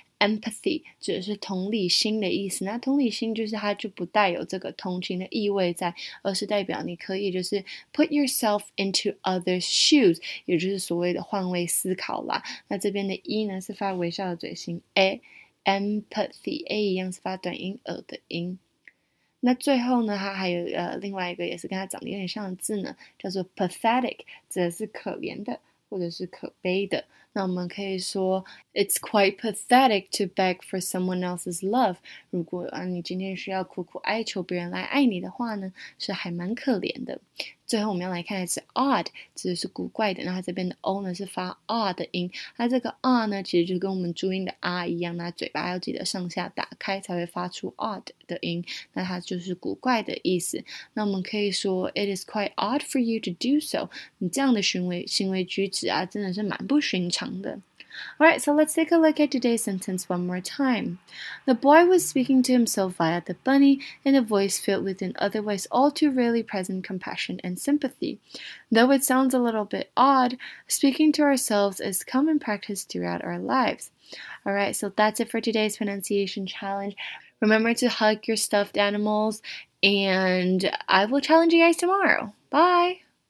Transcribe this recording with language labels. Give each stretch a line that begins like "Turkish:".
Chinese: Empathy 指的是同理心的意思，那同理心就是它就不带有这个同情的意味在，而是代表你可以就是
English: put yourself into others' shoes,
Chinese: 也就是所谓的换位思考啦。那这边的 E 呢是发微笑的嘴型 A, Empathy, A 一样是发短音 E 的音。那最后呢它还有另外一个也是跟它长得有点像的字呢，叫做 Pathetic, 指的是可怜的或者是可悲的。那我们可以说
English: "It's quite pathetic to beg for someone else's love."
Chinese: 如果啊，你今天需要苦苦哀求别人来爱你的话呢，是还蛮可怜的。最后我们要来看的是 "odd"，指的是古怪的。然后这边的 "o" 呢是发 "r" 的音，它这个 "r" 呢其实就跟我们注音的 "r" 一样，那嘴巴要记得上下打开才会发出 "odd" 的音，那它就是古怪的意思。那我们可以说
English: "It is quite odd for you to do so."
Chinese: 你这样的行为举止啊，真的是蛮不寻常的。
English: Alright, so let's take a look at today's sentence one more time. The boy was speaking to himself via the bunny in a voice filled with an otherwise all too rarely present compassion and sympathy. Though it sounds a little bit odd, speaking to ourselves is common practice throughout our lives. Alright, so that's it for today's pronunciation challenge. Remember to hug your stuffed animals, and I will challenge you guys tomorrow. Bye!